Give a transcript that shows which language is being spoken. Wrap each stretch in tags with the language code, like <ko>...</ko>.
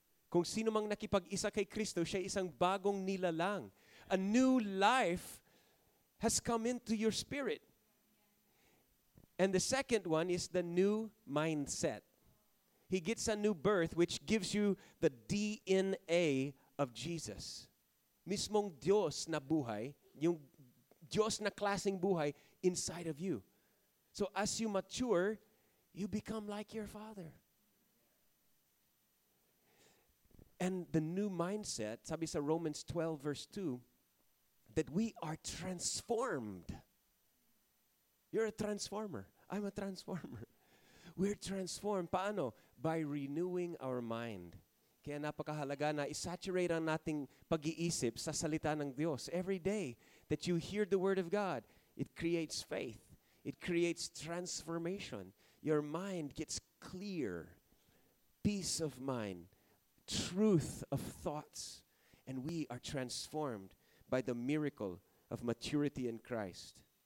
<tl>Kung sino mang nakipag-isa kay Kristo, siya isang bagong nilalang.</tl> <en>A new life has come into your spirit. And the second one is the new mindset. He gets a new birth which gives you the DNA of Jesus.</en> <tl>Mismong Diyos na buhay, yung Diyos na klaseng buhay</tl> <en>inside of you. So as you mature, you become like your Father. And the new mindset,</en> <tl>sabi sa</tl> <en>Romans 12 verse 2, that we are transformed. You're a transformer. I'm a transformer. We're transformed.</en> <tl>Paano?</tl> <en>By renewing our mind.</en> <tl>Kaya napakahalaga na isaturate ang nating pag-iisip sa salita ng Diyos.</tl> <en>Every day that you hear the Word of God, it creates faith. It creates transformation. Your mind gets clear. Peace of mind. Truth of thoughts. And we are transformed by the miracle of maturity in Christ.</en>